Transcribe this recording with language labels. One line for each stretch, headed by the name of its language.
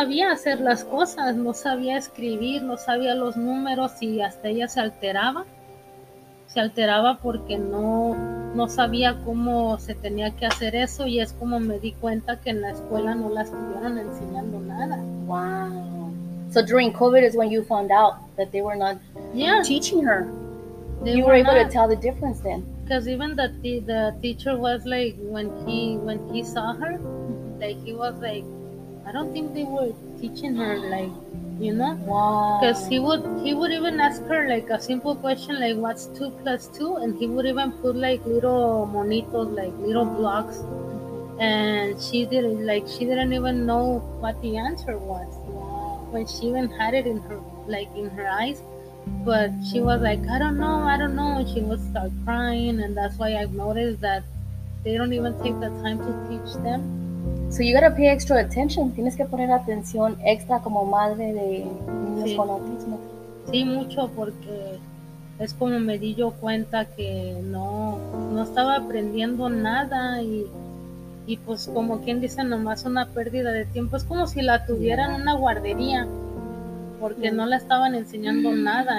Spanish: hacer las cosas, no sabía escribir, no sabía los números, y hasta ella se alteraba porque no sabía cómo se tenía que hacer eso, y es como me di cuenta que en la escuela no la estuvieron enseñando nada.
English: Wow. So during COVID is when you found out that they were not teaching her. You were able to tell the difference then. Because even the teacher was like, when he saw her, like, he was like, I don't think they were teaching her, like, you know? Wow. Because he would even ask her, like, a simple question, like, what's 2 + 2? And he would even put, like, little monitos, like, little blocks. And she didn't even know what the answer was. When she even had it in her, like, in her eyes, but she was like, I don't know, and she would start crying, and that's why I've noticed that they don't even take the time to teach them. So you gotta pay extra attention.
Spanish: Tienes que poner atención extra como madre de niños con autismo. Sí, mucho, porque es como me di yo cuenta que no estaba aprendiendo nada, y pues como quien dice, nomás una pérdida de tiempo. Es como si la tuvieran una guardería, porque no la estaban enseñando nada.